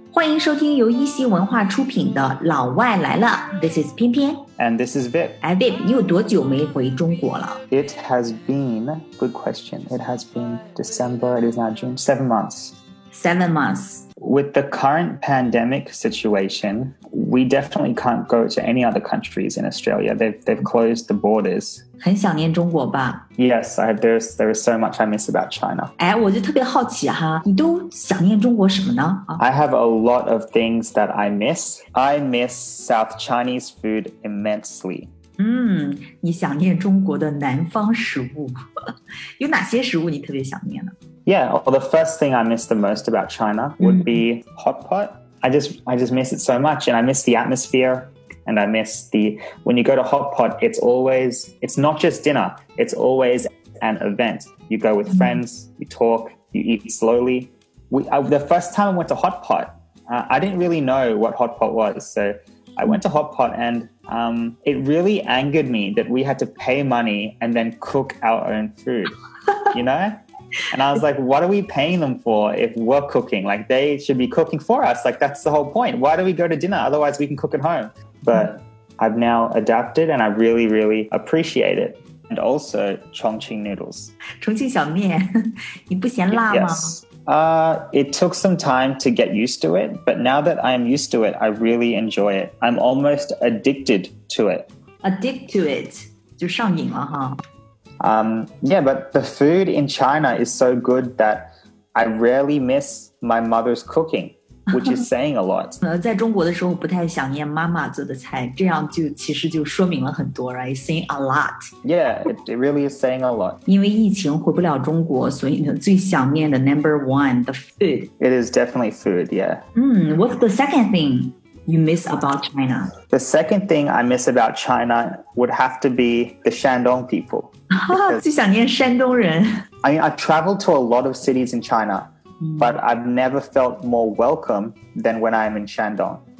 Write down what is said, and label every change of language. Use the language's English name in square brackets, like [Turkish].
[Chinese] 欢迎收听由一席文化出品的《老外来了》。 [English] This is 翩翩。 And this is Vip. [Chinese] And Vip, 你有多久没回中国了？ [English] It has been, good question, it has been December, it is now June, 7 months. 7 months. With the current pandemic situation, we definitely can't go to any other countries in Australia. They've closed the borders. [Chinese] 很想念中国吧？ [English] Yes, there is so much I miss about China. [Chinese] 哎，我就特别好奇哈，你都想念中国什么呢？ [English] I have a lot of things that I miss. I miss South Chinese food immensely. [Chinese] 你想念中国的南方食物。有哪些食物你特别想念呢？ [English] Yeah, well, the first thing I miss the most about China would be hot pot. I just miss it so much, and I miss the atmosphere, and I miss the... When you go to hot pot, it's always... It's not just dinner. It's always an event. You go with friends, you talk, you eat slowly. The first time I went to hot pot, I didn't really know what hot pot was. So I went to hot pot, and it really angered me that we had to pay money and then cook our own food, you know? And I was like, what are we paying them for if we're cooking? Like, they should be cooking for us. Like, that's the whole point. Why do we go to dinner? Otherwise, we can cook at home. But I've now adapted, and I really, really appreciate it. And also, Chongqing noodles. [Chinese] Chongqing 小面，你不嫌辣吗？ [English] Yes. It took some time to get used to it. But now that I'm used to it, I really enjoy it. I'm almost addicted to it. Addicted to it. [Chinese] 就上瘾了哈。 [English] Yeah, but the food in China is so good that I rarely miss my mother's cooking, which is saying a lot. [Chinese] 在中国的时候不太想念妈妈做的菜，这样就其实就说明了很多 right? [English] Saying a lot. Yeah, it really is saying a lot. [Chinese] 因为疫情回不了中国，所以呢最想念的 [English] number one, the food. It is definitely food, yeah. What's the second thing you miss about China? The second thing I miss about China would have to be the Shandong people. [Chinese] 最想念山东人。 [English] I mean, I've traveled to a lot of cities in China, but I've never felt more welcome than when I'm in Shandong.